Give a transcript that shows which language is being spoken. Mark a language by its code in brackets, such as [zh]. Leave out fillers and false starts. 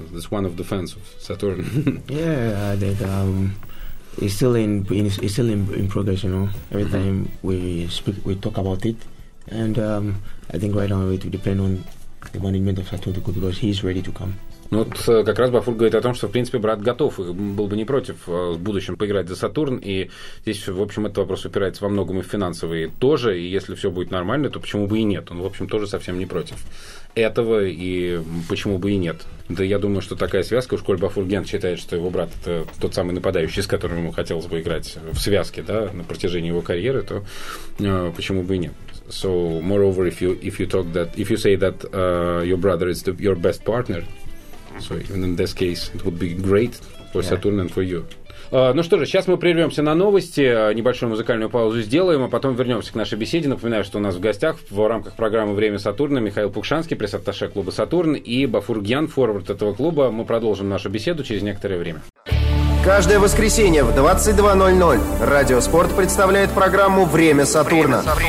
[en] That's one of the fans of Saturn. Yeah, I think it's still in progress. You know, every time we speak, we talk about it, and I think right now it will depend on the management of Saturn because he's ready to come. [ru] Ну вот как раз Бафур говорит о том, что, в принципе, брат готов и был бы не против в будущем поиграть за Сатурн. И здесь, в общем, этот вопрос упирается во многом и в финансовые тоже. И если все будет нормально, то почему бы и нет? Он, в общем, тоже совсем не против этого, и почему бы и нет? Да я думаю, что такая связка, уж коль Бафургент считает, что его брат — это тот самый нападающий, с которым ему хотелось бы играть в связке, да, на протяжении его карьеры, то почему бы и нет? [en] So, moreover, if you say that your brother is your best partner, so even in this case, it would be great for Saturn and for you. [ru] Ну что же, сейчас мы прервемся на новости, небольшую музыкальную паузу сделаем, а потом вернемся к нашей беседе. Напоминаю, что у нас в гостях в рамках программы «Время Сатурна» Михаил Пукшанский, пресс-атташе клуба «Сатурн», и Бафур Гьян, форвард этого клуба. Мы продолжим нашу беседу через некоторое время. Каждое воскресенье в 22.00 «Радио Спорт» представляет программу «Время Сатурна».